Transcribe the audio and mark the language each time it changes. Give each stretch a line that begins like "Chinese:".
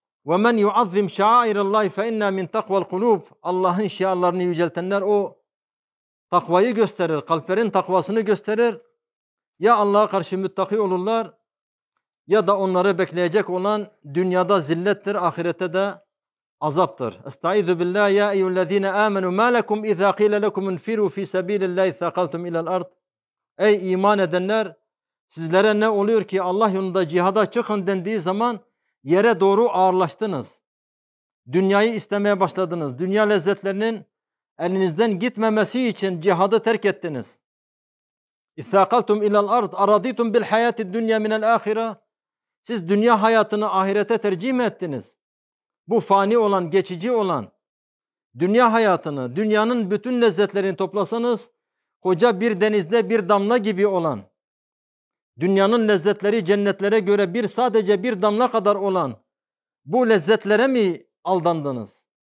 Arabic: وَمَنْ يُعَظِّمْ شَعَائِرَ اللّٰهِ فَاِنَّا مِنْ تَقْوَ الْقُلُوبِ
Turkish: Allah'ın şiarlarını yüceltenler o takvayı gösterir, kalplerin takvasını gösterir. Ya Allah'a karşı müttaki olurlar ya da onları bekleyecek olan dünyada zillettir, ahirette de azaptır.
Arabic: اَسْتَعِذُ بِاللّٰهِ يَا اَيُّ الَّذ۪ينَ آمَنُوا مَا لَكُمْ اِذَا قِيلَ لَكُمْ اِنْفِرُوا فِي سَب۪يلِ اللّٰهِ ثَقَلْتُمْ اِلَى الْاَرْضِ
Turkish: Ey iman edenler, sizlere ne oluyor ki Allah yolunda cihada çıkın dendiği zaman yere doğru ağırlaştınız. Dünyayı istemeye başladınız. Dünya lezzetlerinin elinizden gitmemesi için cihadı terk ettiniz.
Arabic: İthakaltum ilal ard, araditum bil hayati dünya minel ahira.
Turkish: Siz dünya hayatını ahirete tercih mi ettiniz? Bu fani olan, geçici olan dünya hayatını, dünyanın bütün lezzetlerini toplasanız, koca bir denizde bir damla gibi olan, dünyanın lezzetleri cennetlere göre bir sadece bir damla kadar olan bu lezzetlere mi aldandınız?